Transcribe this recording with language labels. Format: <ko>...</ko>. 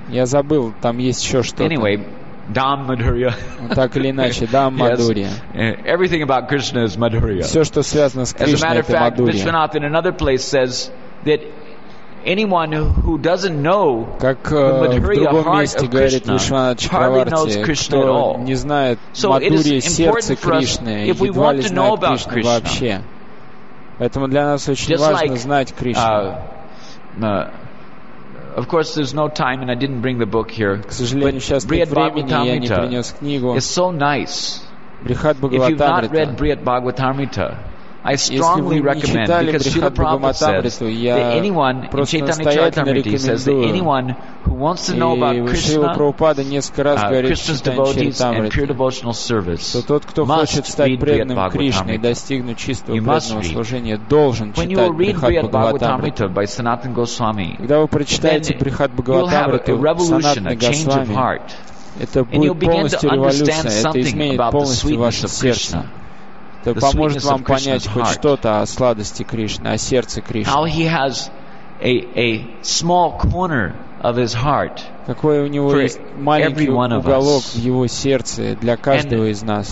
<ru>Я забыл, там есть еще что-то.</ru> <en>Anyway, Dham Madhurya.</en> <ru>Так или иначе, Dham Madhurya.</ru> <en>Everything about Krishna is Madhurya.</en> <ru>Все, что связано с Кришной, это Мадхурья.</ru> <en>As a matter of fact, Vishwanath in another place says that anyone who doesn't know the Madhurya heart of Krishna hardly knows Krishna at all.</en> <ru>Не знает Мадхурья сердце Кришны, едва ли знает Кришну вообще. Поэтому для нас очень важно знать Кришну.</ru> <en>Of course, there's no time, and I didn't bring the book here.</en> <ru>К сожалению, сейчас нет времени, я не принес книгу.</ru> <en>It's so nice.</en> <ru>Брихат Бхагаватамрита.</ru> <en>If you've not read Brihat Bhagavatamrita, I strongly recommend, because Srila Prabhupada says that anyone in Chaitanya Charitamrita says that anyone who wants to know about Krishna, Krishna's devotees and pure devotional service, must read Brihat Bhagavatamrita.</en> <ru>Тот, кто хочет стать преданным Кришне и достигнуть чистого преданного служения, должен читать Брихат Бхагаватамрита</ru> <en>by Sanatan Goswami.</en> <ru>Когда вы прочитаете Брихат Бхагаватамрита, Санатан Госвами, это будет полностью революция, это изменит полностью ваше сердце. Это поможет вам понять хоть что-то о сладости Кришны, о сердце Кришны.</ru> <en>How he has a small corner of his heart.</en> <ru>Какой у него есть маленький уголок в его сердце для каждого из нас.</ru>